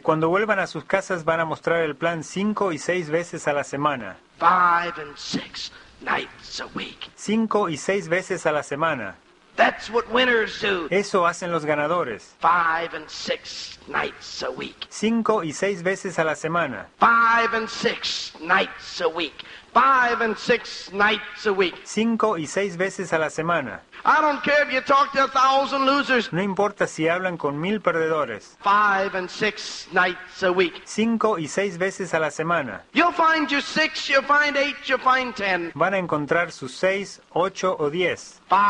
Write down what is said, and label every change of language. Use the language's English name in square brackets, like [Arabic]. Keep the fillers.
[Spanish] cuando vuelvan a sus casas van a mostrar el plan cinco y seis veces a la semana. [English] Five and six nights a week. [Spanish] Cinco y seis veces a la semana. [English] That's what winners do. [Spanish] Eso hacen los ganadores. [English] Five and six nights a week. [Spanish] Cinco y seis veces a la semana. [English] Five and, six nights, a week. Five and six nights a week. [Spanish] Cinco y seis veces a la semana. [English] I don't care if you talk to a thousand losers. [Spanish] No importa si hablan con mil perdedores. [English] Five and six nights a week. [Spanish] Cinco y seis veces a la semana. [English] You'll find your six, you'll find eight, you'll find ten. [Spanish] Van a encontrar sus seis, 8 o 10.